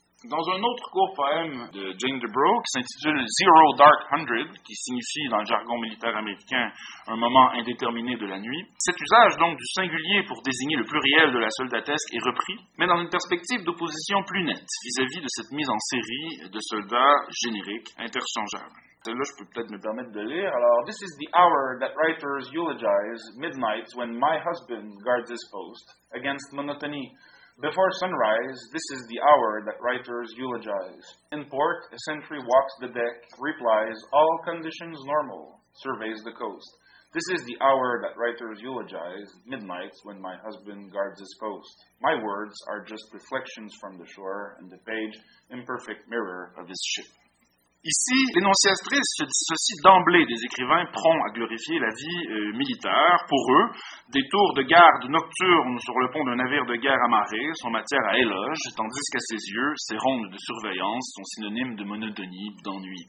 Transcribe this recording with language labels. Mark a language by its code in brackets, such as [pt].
[fr] Dans un autre court poème de Jane Dubrow, qui s'intitule « Zero Dark Hundred », qui signifie, dans le jargon militaire américain, « un moment indéterminé de la nuit », cet usage donc du singulier pour désigner le pluriel de la soldatesque est repris, mais dans une perspective d'opposition plus nette vis-à-vis de cette mise en série de soldats génériques interchangeables. Celle-là, je peux peut-être me permettre de lire. Alors, [en] « This is the hour that writers eulogize midnight when my husband guards his post against monotony. Before sunrise, this is the hour that writers eulogize. In port, a sentry walks the deck, replies, all conditions normal, surveys the coast. This is the hour that writers eulogize, midnight, when my husband guards his post. My words are just reflections from the shore and the page, imperfect mirror of his ship. » [fr] Ici, l'énonciatrice se dissocie d'emblée des écrivains prompts à glorifier la vie militaire. Pour eux, des tours de garde nocturnes sur le pont d'un navire de guerre amarré sont matière à éloge, tandis qu'à ses yeux, ces rondes de surveillance sont synonymes de monotonie, d'ennui.